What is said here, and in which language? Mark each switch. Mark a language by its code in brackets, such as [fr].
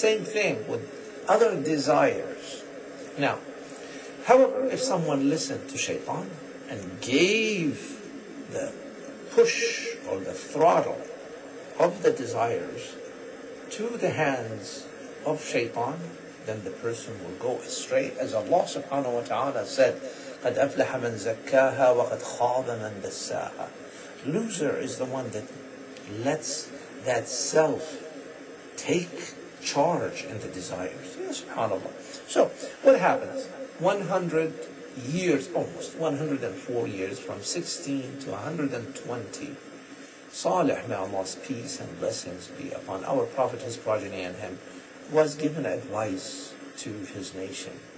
[en] Same thing with other desires. Now, however, if someone listened to shaitan and gave the push or the throttle of the desires to the hands of shaitan, then the person will go astray. As Allah subhanahu wa ta'ala said, [ar] قَدْ أَفْلَحَ مَنْ زَكَّاهَا وَقَدْ خَابَ مَنْ دَسَّاهَا. [en] Loser is the one that lets that self take charge in the desires. Yes, subhanAllah. So, what happens? 100 years, almost 104 years, from 16 to 120, Salih, may Allah's peace and blessings be upon our Prophet, his progeny, and him, was given advice to his nation.